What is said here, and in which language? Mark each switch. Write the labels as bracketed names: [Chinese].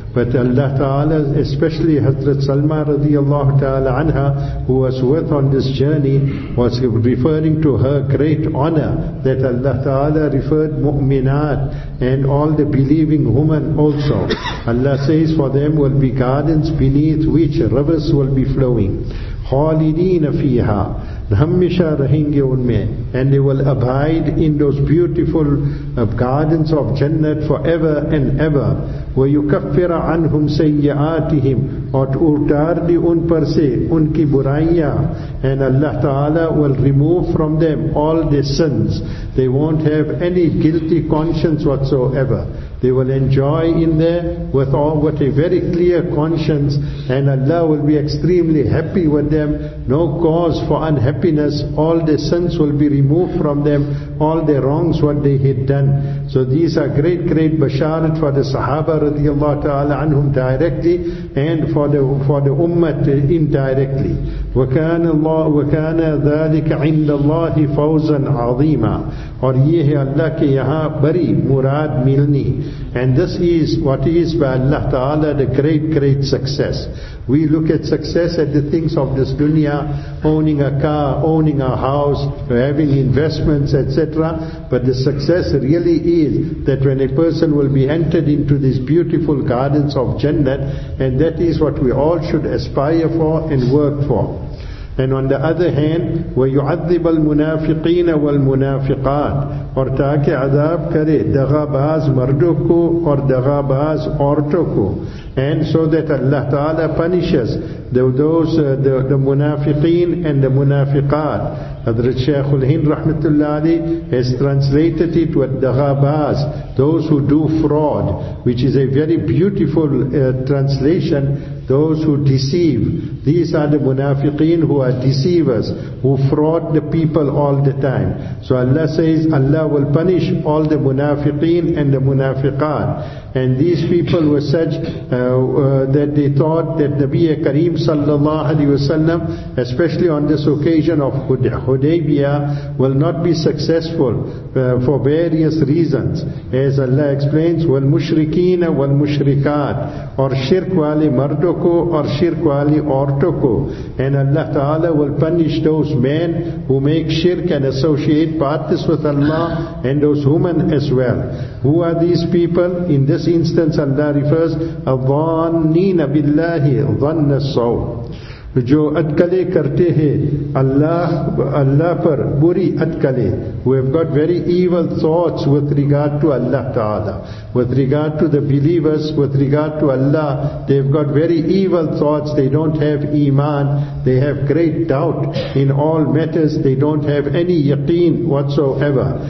[English] But Allah Ta'ala, especially Hazrat Salma radiallahu ta'ala anha, who was with on this journey, was referring to her great honor, that Allah Ta'ala referred mu'minat and all the believing women also. Allah says, for them will be gardens beneath which rivers will be flowing. [Arabic] خَالِدِينَ فِيهَا, [Urdu] ہمیشہ رہیں گے ان میں. [English] And they will abide in those beautiful gardens of Jannat forever and ever. [Arabic] وَيُكَفِّرَ عَنْهُمْ سَيِّعَاتِهِمْ, [Urdu] اور اتار دی ان پر سے ان کی برائیاں. [English] And Allah Ta'ala will remove from them all their sins. They won't have any guilty conscience whatsoever. They will enjoy in there with a very clear conscience, and Allah will be extremely happy with them. No cause for unhappiness. All their sins will be removed from them, all their wrongs what they had done. So these are great, great basharat for the Sahaba radiallahu ta'ala anhum directly, and for the ummah indirectly. [Arabic] وَكَانَ ذَلِكَ عِنَّ اللَّهِ فَوْزًا عَظِيمًا, [Urdu] اور یہ ہے اللہ کے یہاں بری مراد ملنی. [English] And this is what is by Allah Ta'ala the great, great success. We look at success at the things of this dunya, owning a car, owning a house, having investments, etc. But the success really is that when a person will be entered into these beautiful gardens of Jannat, and that is what we all should aspire for and work for. And on the other hand, [Arabic] وَيُعَذِّبَ الْمُنَافِقِينَ وَالْمُنَافِقَاتِ, [Urdu] اور تاکہ عذاب کرے دغاباز مردوں کو اور دغاباز عورتوں کو. [English] And so that Allah Ta'ala punishes the munafiqeen and the munafiqat. Hazrat Shaykh al-Hind rahmatullah ali has translated it with dagabaz, those who do fraud, which is a very beautiful translation, those who deceive. These are the munafiqeen, who are deceivers, who fraud the people all the time. So Allah says, Allah will punish all the munafiqeen and the munafiqat. And these people were such that they thought that Nabi Kareem sallallahu alaihi wasallam, especially on this occasion of Hudaybiyah, will not be successful for various reasons. As Allah explains, [Arabic] wal mushrikeen wal mushrikat, [Urdu] or shirk wali mardo ko or shirk wali orto ko. [English] And Allah Ta'ala will punish those men who make shirk and associate parties with Allah, and those women as well. Who are these people? In this instance, Allah refers [Arabic] الظانین باللہ ظن السوء, [Urdu] جو اٹکلے کرتے ہیں اللہ پر بری اٹکلے. [English] We have got very evil thoughts with regard to Allah Ta'ala, with regard to the believers, with regard to Allah. They've got very evil thoughts. They don't have iman. They have great doubt in all matters. They don't have any yaqeen whatsoever.